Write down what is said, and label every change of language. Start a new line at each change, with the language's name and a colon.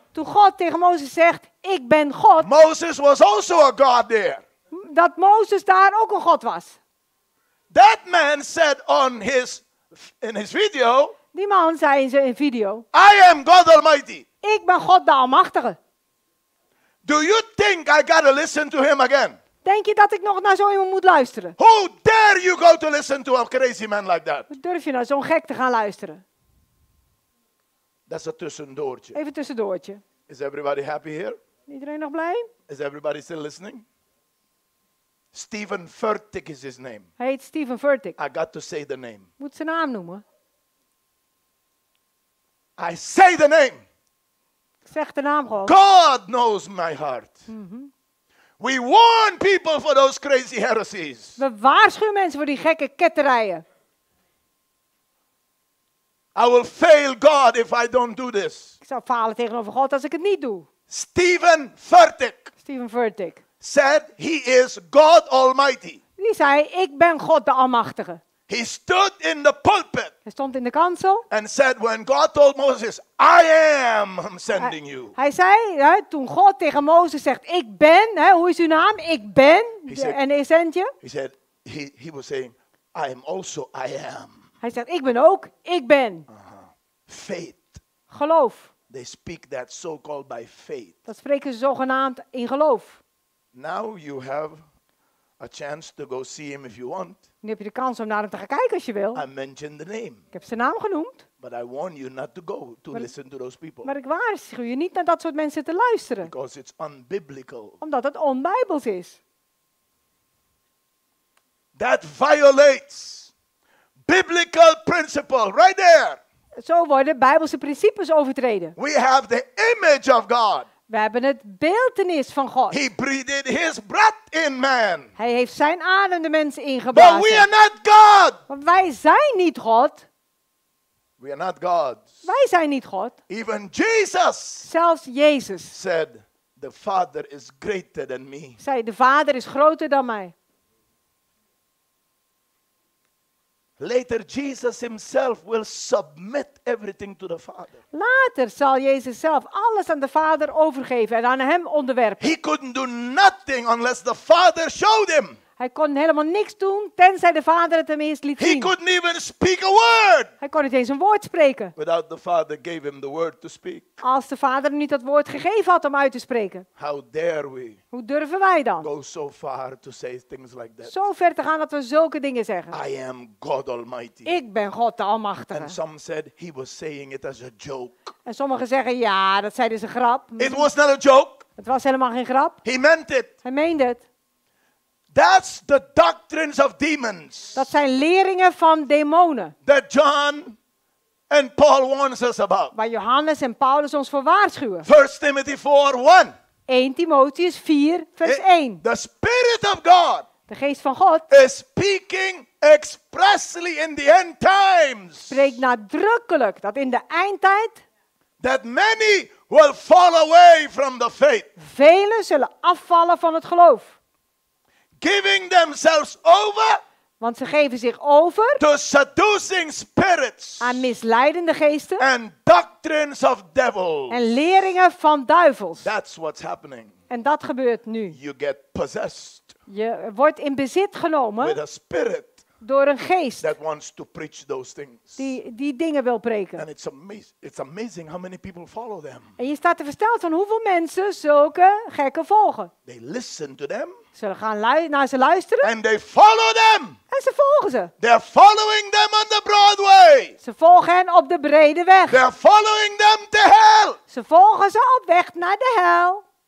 Dutch: Toen God tegen Mozes zegt, ik ben God.
English: Moses was also a God there.
Dutch: Dat Mozes daar ook een God was.
English: That man said on his video.
Dutch: Die man zei in zijn video.
English: I am God Almighty.
Dutch: Ik ben God de Almachtige.
English: Do you think I gotta listen to him again?
Dutch: Denk je dat ik nog naar zo iemand moet luisteren?
English: Who dare you go to listen to a crazy man like that?
Dutch: Durf je naar zo'n gek te gaan luisteren?
English: That's a tussendoortje.
Dutch: Even tussendoortje.
English: Is everybody happy here?
Dutch: Iedereen nog blij?
English: Is everybody still listening? Stephen Furtick is his name.
Dutch: Hij heet Stephen Furtick.
English: I got to say the name.
Dutch: Moet zijn naam noemen.
English: I say the name.
Dutch: Ik zeg de naam gewoon.
English: God knows my heart. Mm-hmm. We warn people for those crazy heresies.
Dutch: We waarschuwen mensen voor die gekke ketterijen.
English: I will fail God if I don't do this.
Dutch: Ik zou falen tegenover God als ik het niet doe.
English: Stephen Furtick.
Dutch: Stephen Furtick.
English: Said he is God Almighty.
Dutch: Die zei, ik ben God de Almachtige.
English: He stood in the pulpit.
Dutch: Hij stond in de kansel.
English: And said, when God told Moses, I am sending you.
Dutch: Hij zei, toen God tegen Mozes zegt, ik ben, hoe is uw naam? Ik ben, en hij zendt je.
English: He said, he was saying, I am also, I am.
Dutch: Hij zegt, ik ben ook, ik ben.
English: Faith.
Dutch: Geloof.
English: They speak that so-called by faith.
Dutch: Dat spreken ze zogenaamd in geloof.
English: Now you have a chance to go see him if you want.
Dutch: Nu heb je de kans om naar hem te gaan kijken als je wil.
English: I mentioned the name.
Dutch: Ik heb zijn naam genoemd.
English: But I warn you not to go to listen to those people.
Dutch: Maar ik waarschuw je niet naar dat soort mensen te luisteren.
English: Because it's unbiblical.
Dutch: Omdat het onbijbels is.
English: That violates biblical principle right there.
Dutch: Zo worden bijbelse principes overtreden.
English: We have the image of God.
Dutch: We hebben het beeldenis van God.
English: He breathed his breath in man.
Dutch: Hij heeft zijn adem de mens ingeblazen.
English: But we are not God.
Dutch: Want wij zijn niet God.
English: We are not gods.
Dutch: Wij zijn niet God.
English: Even Jesus.
Dutch: Zelfs Jezus.
English: Said the Father is greater than me.
Dutch: Zei de Vader is groter dan mij.
English: Later Jesus himself will submit everything to the Father.
Dutch: Later zal Jezus zelf alles aan de Vader overgeven en aan hem onderwerpen.
English: He couldn't do nothing unless the Father showed him.
Dutch: Hij kon helemaal niks doen tenzij de Vader het hem eerst liet zien.
English: He couldn't even speak a word.
Dutch: Hij kon niet eens een woord spreken.
English: Without the Father gave him the word to speak.
Dutch: Als de Vader niet dat woord gegeven had om uit te spreken.
English: How dare we?
Dutch: Hoe durven wij dan?
English: Go so far to say things like that.
Dutch: Zo ver te gaan dat we zulke dingen zeggen.
English: I am God Almighty.
Dutch: Ik ben God de Almachtige.
English: And some said he was saying it as a joke.
Dutch: En sommigen zeggen ja, dat zeiden ze grap.
English: It was not a joke.
Dutch: Het was helemaal geen grap.
English: He meant it.
Dutch: Hij meende het.
English: That's the doctrines of demons.
Dutch: Dat zijn leringen van demonen.
English: That John and Paul warns us about.
Dutch: Waar Johannes en Paulus ons voor waarschuwen.
English: 1 Timothy 4, 1.
Dutch: 1 Timotheus 4, vers 1.
English: The Spirit of God.
Dutch: De Geest van God.
English: Is speaking expressly in the end times.
Dutch: Spreekt nadrukkelijk dat in de eindtijd.
English: That many will fall away from the faith.
Dutch: Velen zullen afvallen van het geloof.
English: Giving themselves over.
Dutch: Want ze geven zich over.
English: To seducing spirits.
Dutch: Aan misleidende geesten.
English: And doctrines of devils.
Dutch: En leringen van duivels.
English: That's what's happening.
Dutch: En dat gebeurt nu.
English: You get possessed.
Dutch: Je wordt in bezit genomen.
English: With a spirit.
Dutch: Door een geest.
English: That wants to preach those things.
Dutch: Die dingen wil preken.
English: And it's amazing how many people follow them.
Dutch: En je staat te versteld van hoeveel mensen zulke gekken volgen.
English: They listen to them.
Dutch: Ze gaan naar ze luisteren.
English: And they follow them.
Dutch: En ze volgen ze.
English: They're following them on the Broadway.
Dutch: Ze volgen hen op de brede weg.
English: They're following them to hell.
Dutch: Ze volgen ze op weg naar de hel.